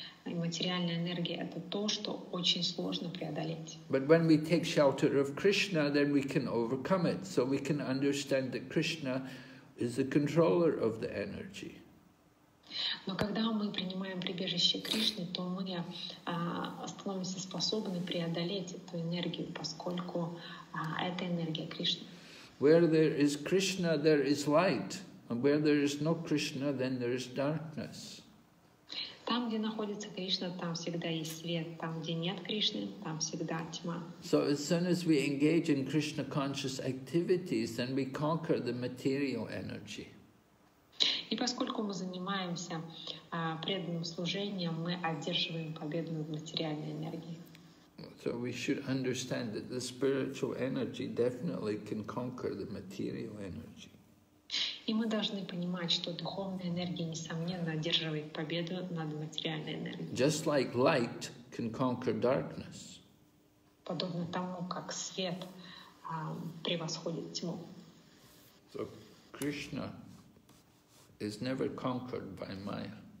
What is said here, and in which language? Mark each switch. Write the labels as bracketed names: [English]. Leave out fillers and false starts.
[Russian] И материальная энергия — это то, что очень сложно преодолеть. [English] But when we take shelter of Krishna, then we can overcome it. So we can understand that Krishna is the controller of the energy. [Russian] Но когда мы принимаем прибежище Кришны, то мы становимся способны преодолеть эту энергию, поскольку это энергия Кришны. [English] Where there is Krishna, there is light. And where there is no Krishna, then there is darkness. [Russian] Там, где находится Кришна, там всегда есть свет. Там, где нет Кришны, там всегда тьма. [English] So as soon as we engage in Krishna conscious activities, then we conquer the material energy. [Russian] И поскольку мы занимаемся преданным служением, мы одерживаем победу над материальной энергией. [English] So we should understand that the spiritual energy definitely can conquer the material energy. [Russian] И мы должны понимать, что духовная энергия несомненно одерживает победу над материальной энергией. [English] Just like light can conquer darkness. [Russian] Подобно тому, как свет превосходит тьму. [English] So Krishna is never conquered by Maya.